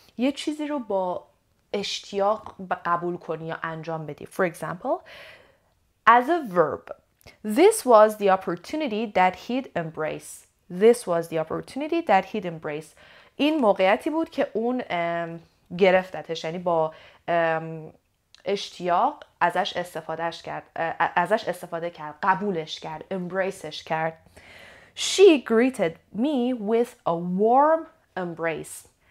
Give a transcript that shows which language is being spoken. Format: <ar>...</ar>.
<fa>یه چیزی رو با اشتیاق قبول کنی یا انجام بدی.</fa> <en>For example, as a verb, this was the opportunity that he'd embrace. This was the opportunity that he'd embrace.</en> <fa>این موقعیتی بود که اون گرفتتش، یعنی با اشتیاق ازش استفادهش کرد، ازش استفاده کرد، قبولش کرد، امبریسش کرد.</fa> <en>She greeted me with a warm embrace.</en>